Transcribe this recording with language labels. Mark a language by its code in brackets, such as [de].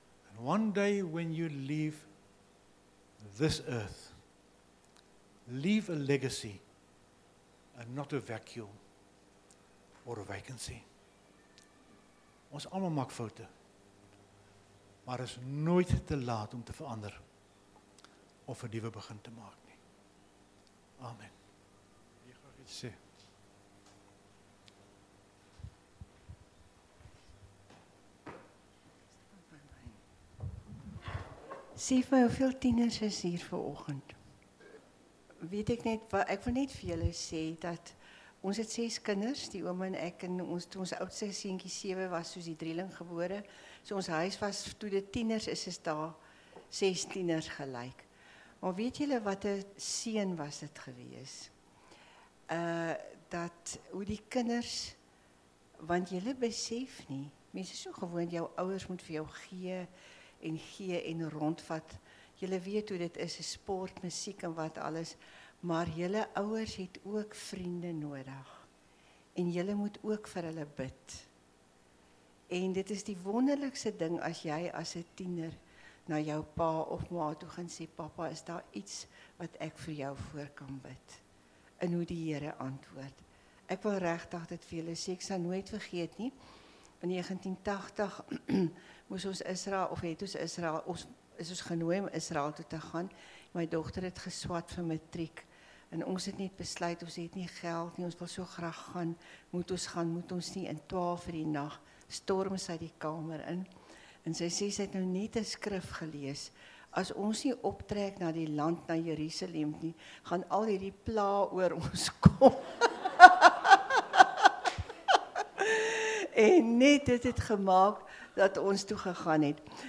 [en] And one day when you leave this earth, leave a legacy and not a vacuum or a vacancy. [af] Ons almal maak foute. Maar is nooit te laat om te verander of 'n nuwe begin te maak nie. Amen. Jy graag iets sê. Sê vir hoeveel tieners is hier vanoggend? Weet ek net, ek wil net vir julle sê dat ons het 6 kinders, die oom en ek, en ons oudste seentjie 7 was soos die drieling gebore. So ons huis was, toe die tieners is daar 6 tieners gelyk. Maar weet julle wat 'n seën was dit gewees? Dat hoe die kinders, want julle besef nie, mense is so gewoon, jou ouers moet vir jou gee en gee en rondvat. Julle weet hoe dit is, sport, musiek en wat alles. Maar julle ouers het ook vriende nodig. En julle moet ook vir hulle bid. En dit is die wonderlikste ding as jy as 'n tiener na jou pa of ma toe gaan sê, "Pappa, is daar iets wat ek vir jou voor kan bid?" En hoe die Here antwoord. Ek wil regtig dit vir julle sê, ek sal nooit vergeet nie. In 1980 moes ons Israel, of het ons Israel, ons is genooi om Israel toe te gaan. My dogter het geswat vir matriek. En ons het net besluit, ons het nie geld nie, ons wil so graag gaan. Moet ons gaan, moet ons nie. In 12 vir die nag storm sy die kamer in. En sy sê, sy het nou net 'n skrif gelees. As ons nie optrek na die land, na Jerusalem nie, gaan al hierdie pla oor ons kom. En net dit het gemaak dat ons toe gegaan het.